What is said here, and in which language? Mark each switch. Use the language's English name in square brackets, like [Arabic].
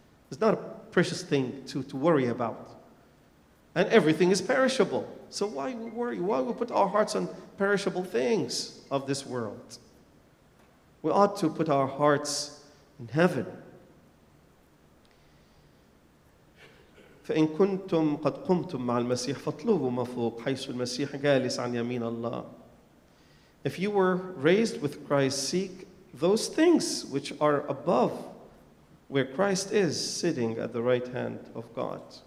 [English] It's not a precious thing to worry about. And everything is perishable. So why we worry? Why we put our hearts on perishable things of this world? We ought to put our hearts in heaven. [Arabic] فإن كنتم قد قمتم مع المسيح فاطلبوا ما فوق حيث المسيح جالس عن يمين الله. [English] If you were raised with Christ, seek those things which are above, where Christ is sitting at the right hand of God.